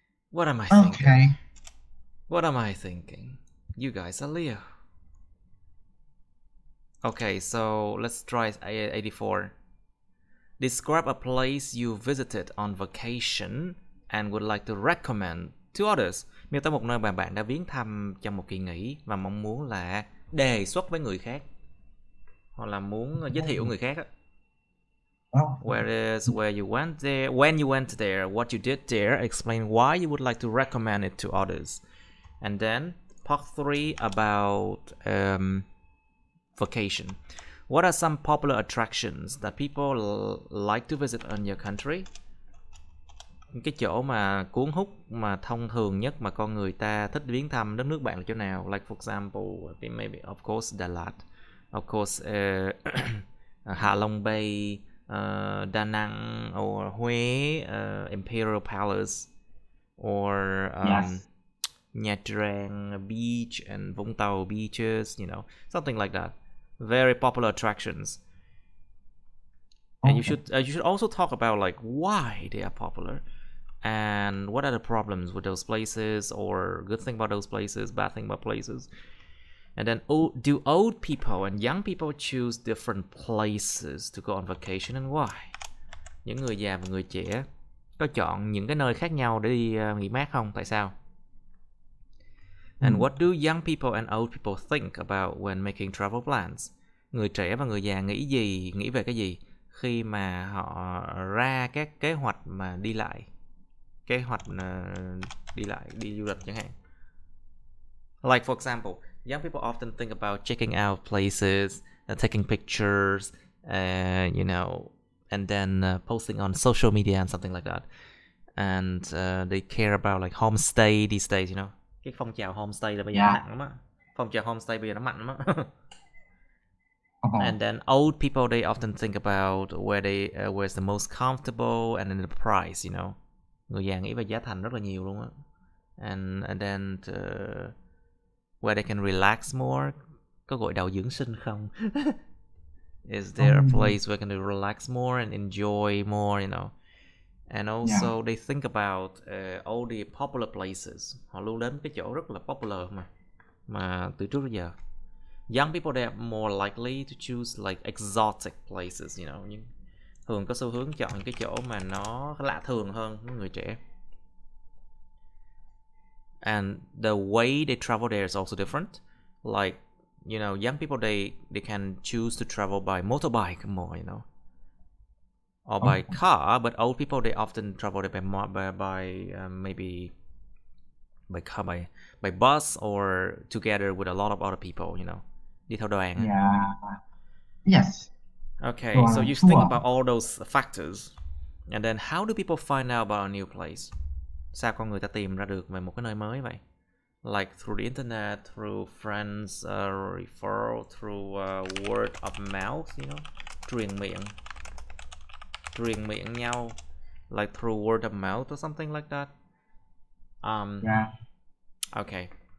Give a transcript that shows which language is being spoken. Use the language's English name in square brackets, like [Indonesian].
[English] What am I thinking? What am I thinking? You guys are Leo. Okay, so let's try 84. Describe a place you visited on vacation and would like to recommend to others. [Vietnamese] Miêu tả một nơi mà bạn đã viếng thăm trong một kỳ nghỉ và mong muốn là đề xuất với người khác. Hoặc là muốn giới thiệu người khác á. [English] Where is where you went there? When you went there? What you did there? Explain why you would like to recommend it to others. And then part three about vacation. What are some popular attractions that people like to visit in your country? [Vietnamese] Cái chỗ mà cuốn hút mà thông thường nhất mà con người ta thích viếng thăm đất nước bạn là chỗ nào? [English] Like for example, maybe of course Đà Lạt. Of course, Hạ Long Bay, Đà Nẵng, or Huế, Imperial Palace, or Nha Trang Beach and Vũng Tàu Beaches, you know, something like that. Very popular attractions. And you should also talk about like why they are popular, and what are the problems with those places, or good thing about those places, bad thing about places. And then, do old people and young people choose different places to go on vacation and why? [Vietnamese] Những người già và người trẻ có chọn những cái nơi khác nhau để đi nghỉ mát không? Tại sao? [English] And what do young people and old people think about when making travel plans? [Vietnamese] Người trẻ và người già nghĩ về cái gì khi mà họ ra các kế hoạch mà đi lại? Kế hoạch đi lại, đi du lịch chẳng hạn. [English] Like for example, young people often think about checking out places, taking pictures, you know, and then posting on social media and something like that. And they care about like homestay these days, you know. [Vietnamese] Cái phong trào homestay là bây giờ mạnh lắm á. Phong trào homestay bây giờ nó mạnh lắm á. [English] And then old people, they often think about where's the most comfortable and then the price, you know. [Vietnamese] Người già nghĩ về giá thành rất là nhiều luôn á. [English] And then where they can relax more. [Vietnamese] Có gội đầu dưỡng sinh không? [English] Is there a place where can they relax more and enjoy more, you know? And also they think about all the popular places. [Vietnamese] Họ luôn đến cái chỗ rất là popular mà từ trước đến giờ. [English] Young people, they are more likely to choose like exotic places, you know. [Vietnamese] Nhưng thường có xu hướng chọn những cái chỗ mà nó lạ thường hơn người trẻ. [English] And the way they travel there is also different. Like, you know, young people, they can choose to travel by motorbike more, you know. Or by car, but old people, they often travel by bus or together with a lot of other people, you know. [Vietnamese] Đi theo đoàn. [English] Yeah. Yes. Okay, so you think about all those factors. And then how do people find out about a new place? [Vietnamese] Sao con người ta tìm ra được về một cái nơi mới vậy? [English] Like through the internet, through friends, referral, through word of mouth, you know, [Vietnamese] truyền miệng nhau, [English] like through word of mouth or something like that. Okay.